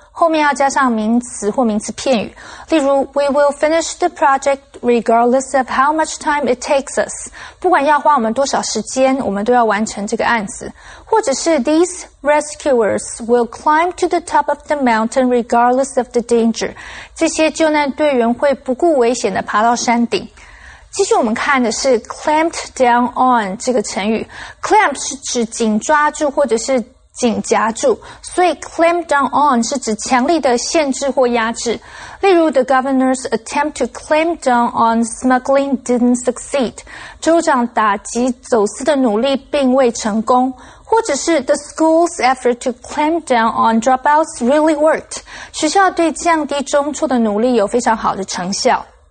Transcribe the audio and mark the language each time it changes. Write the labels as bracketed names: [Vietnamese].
[Chinese] 后面要加上名词或名词片语。例如 [English] ,we will finish the project regardless of how much time it takes us. [Chinese] 不管要花我们多少时间我们都要完成这个案子。或者是 [English] these rescuers will climb to the top of the mountain regardless of the danger. [Chinese] 这些救难队员会不顾危险地爬到山顶。继续我们看的是 clamped down on 这个成语。 clamp 是指紧抓住或者是紧夹住，所以 clamp down on 是指强力的限制或压制。例如 [English] ,the governor's attempt to clamp down on smuggling didn't succeed. [Chinese] 州长打击走私的努力并未成功。或者是 [English] ,the school's effort to clamp down on dropouts really worked. [Chinese] 学校对降低中辍的努力有非常好的成效。